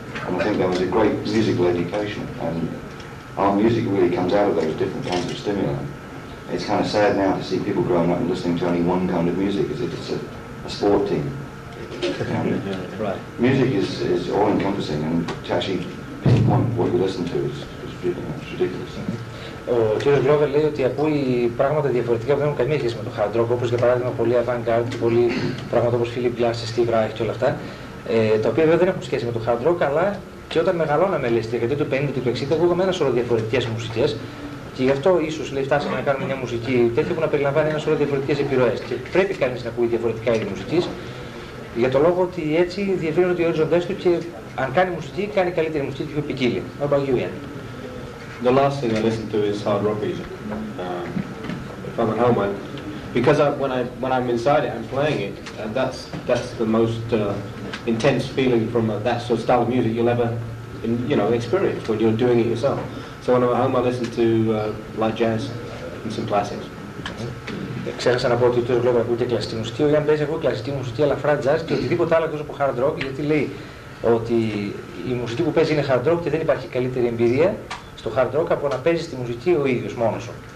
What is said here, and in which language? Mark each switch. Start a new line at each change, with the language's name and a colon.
English: And I think that was a great musical education. And our music really comes out of those different kinds of stimuli. It's kind of sad now to see people growing up and listening to only one kind of music, as if it's a sport team. Right. Music is all encompassing, and to actually pinpoint what you listen to is ridiculous.
Greek: Ο κύριος Γκλόβερ λέει ότι ακούει πράγματα διαφορετικά που δεν έχουν καμία σχέση με το hard rock, όπως για παράδειγμα πολύ avant-garde, πολύ πράγματα όπως Philip Glass, Steve Reich και όλα αυτά, τα οποία βέβαια δεν έχουν σχέση με το hard rock, αλλά και όταν μεγαλώναμε, λέει, στη δεκαετία του 50 και του 60, ακούγαμε ένα σωρό διαφορετικές μουσικές. Και γι' αυτό ίσως φτάσαμε να κάνουμε μια μουσική τέτοια που να περιλαμβάνει ένα σωρό διαφορετικές επιρροές. Και πρέπει κανείς να ακούει διαφορετικά είδη μουσικής, για το λόγο ότι έτσι διευρύνονται οι οριζόντες του και αν κάνει μουσική, κάνει καλύτερη μουσική και πιο ποικίλη.
English: What about you, Ian? The last thing I listen to is hard rock music. If I'm at home, when I'm inside it, I'm playing it, and that's the most intense feeling from that sort of style of music you'll ever experience when you're doing it yourself. So when I'm at home, I listen to light jazz and some classics.
Greek: Ξέχασα να πω ότι ο κύριος Γκλόβερ ακούει και κλασική μουσική. Ο Ιαν παίζει ακούει κλασική μουσική, αλλά φρα jazz και οτιδήποτε άλλο εκτός από hard rock, γιατί λέει ότι η μουσική που παίζει είναι hard rock και δεν υπάρχει καλύτερη εμπειρία στο hard rock από να παίζει τη μουσική ο ίδιος μόνος σου.